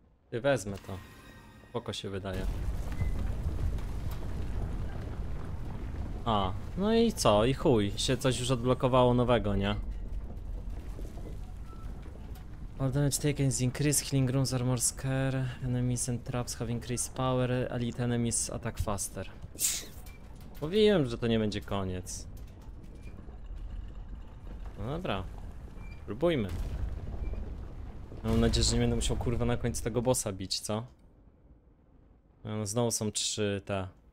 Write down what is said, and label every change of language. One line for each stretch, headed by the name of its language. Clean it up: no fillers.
Polish: Ty wezmę to. Spoko się wydaje. A, no i co? I chuj, się coś już odblokowało nowego, nie?
English: All damage taken is increased, healing runes are more scare, enemies and traps have increased power, elite enemies attack faster.
Polish: Mówiłem, że to nie będzie koniec. No dobra, próbujmy. Mam nadzieję, że nie będę musiał kurwa na końcu tego bossa bić, co? Znowu są trzy te.